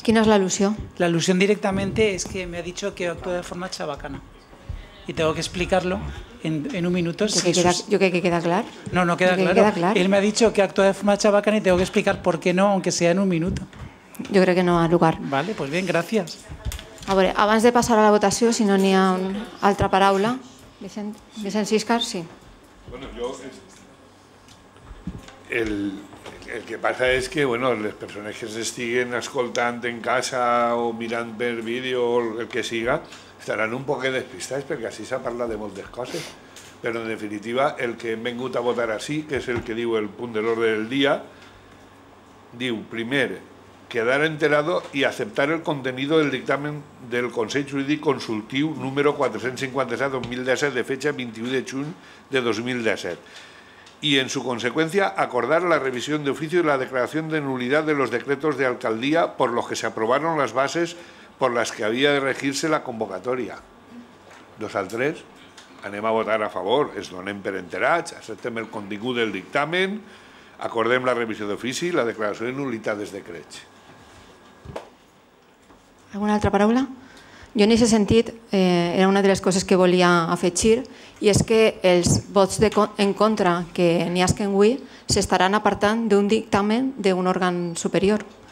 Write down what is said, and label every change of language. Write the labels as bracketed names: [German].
[Spanish] ¿Quién es la alusión? La alusión directamente es que me ha dicho que actúa de forma chabacana. Y tengo que explicarlo en un minuto. Yo que queda, queda claro. Él me ha dicho que actúa de forma chabacana y tengo que explicar por qué no, aunque sea en un minuto. Yo creo que no ha lugar. Vale, pues bien, gracias. [Catalan] A ver, abans de passar a la votació, si no n'hi ha una altra paraula, Vicent Siscar, sí. [Spanish] Bueno, yo... El que pasa es que, [Catalan] bueno, les persones que se estiguen escoltant en casa o mirant per vídeo o el que siga, estaran un poc despistats perquè així s'ha parlat de moltes coses. Però, en definitiva, el que hem vingut a votar així, que és el que diu el punt de l'ordre del dia, diu, primer, [Spanish] quedar enterado y aceptar el contenido del dictamen del Consell Jurídic Consultiu número 457-2017 de fecha 21 de junio de 2017 y en su consecuencia acordar la revisión de oficio y la declaración de nulidad de los decretos de alcaldía por los que se aprobaron las bases por las que había de regirse la convocatoria. [Catalan] Dos al tres, anem a votar a favor, es donem per enterats, acceptem el contingut del dictamen, acordem la revisió d'ofici i la declaració de nulitat dels decrets. Alguna altra paraula? Jo en aquest sentit, era una de les coses que volia afegir, i és que els vots en contra que n'hi ha que avui s'estaran apartant d'un dictamen d'un òrgan superior.